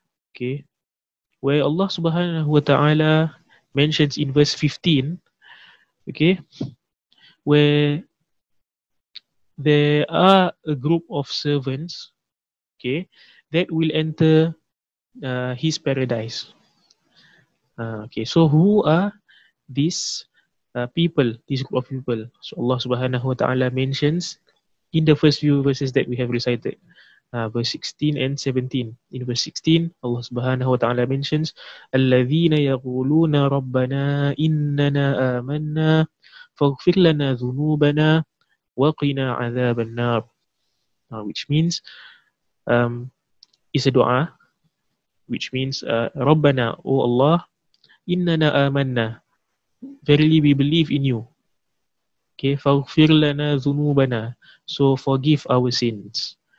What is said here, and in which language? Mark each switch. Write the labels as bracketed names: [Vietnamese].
[English] Okay, where Allah Subhanahu wa Ta'ala mentions in verse 15, okay, where there are a group of servants, okay, that will enter his paradise. Okay, so who are these people, this group of people? So Allah Subhanahu wa Ta'ala mentions in the first few verses that we have recited, verse 16 and 17. In verse 16, Allah Subhanahu wa Ta'ala mentions, [Arabic] الَّذِينَ يَقُولُونَ رَبَّنَا إِنَّنَا آمَنَّا فَاغْفِرْ لَنَا ذُنُوبَنَا وَقِنَا عَذَابَ النَّارِ. [English] Which means, is a dua, which means, [Arabic] رَبَّنَا, [English] O Allah, [Arabic] إِنَّنَا آمَنَّا, [English] verily we believe in you. Okay, [Arabic] فَاغْفِرْ لَنَا ذُنُوبَنَا, [English] so forgive our sins.